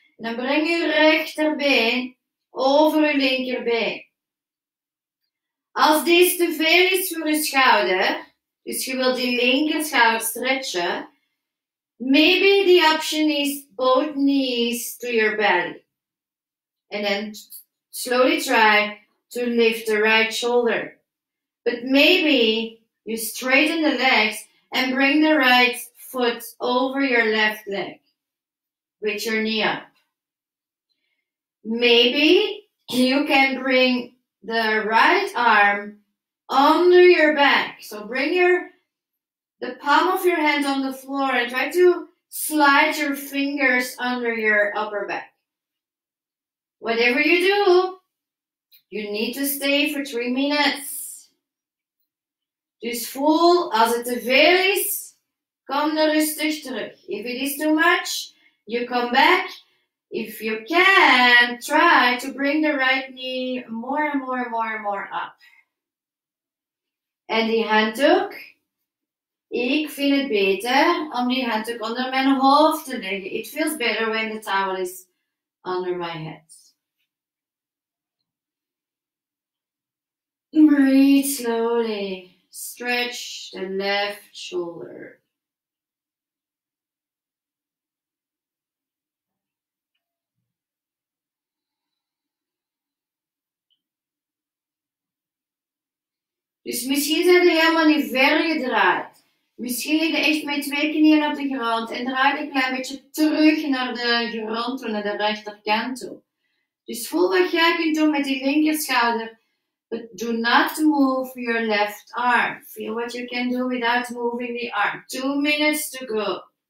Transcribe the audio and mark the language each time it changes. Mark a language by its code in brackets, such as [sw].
[nl] En dan breng je rechterbeen over je linkerbeen. Als deze te veel is voor je schouder, dus je wilt die linker schouder stretchen, [en] maybe the option is both knees to your belly. And then slowly try to lift the right shoulder. But maybe you straighten the legs and bring the right foot over your left leg with your knee up. Maybe you can bring the right arm under your back. So bring the palm of your hand on the floor and try to slide your fingers under your upper back. Whatever you do, you need to stay for 3 minutes. [nl] Dus voel, als het te veel is, kom dan rustig terug. [en] If it is too much, you come back. If you can, try to bring the right knee more and more and more and more up. [nl] En die handdoek, ik vind het beter om die handdoek onder mijn hoofd te leggen. [en] It feels better when the towel is under my head. Breathe slowly. Stretch the left shoulder. [nl] Dus misschien zijn je helemaal niet ver gedraaid. Misschien lig je echt met 2 knieën op de grond en draai je een klein beetje terug naar de grond toe, naar de rechterkant toe. Dus voel wat jij kunt doen met die linkerschouder. [en] But do not move your left arm. Feel what you can do without moving the arm. 2 minutes to go.